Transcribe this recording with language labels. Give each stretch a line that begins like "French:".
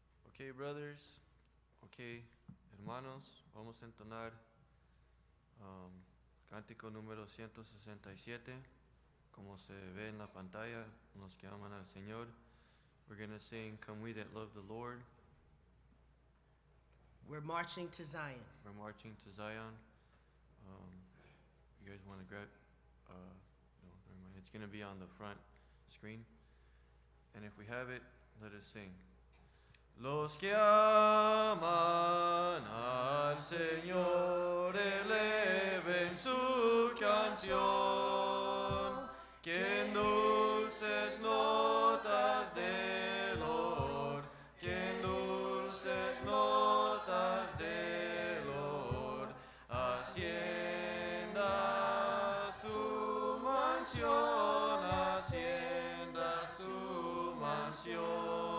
English: Okay, brothers,
Spanish: okay, hermanos, vamos a entonar cántico número 167, como se ve en la pantalla, los que aman al Señor.
English: We're going to sing, Come We That Love the Lord. We're marching to Zion. We're marching to Zion. You guys want to grab, no, never mind, it's going to be on the front screen. And if we have it, let us sing.
Spanish: Los que aman al Señor, eleven su canción, que en dulces notas del Lord, que en dulces notas del Lord, ascienda su mansión, ascienda su mansión.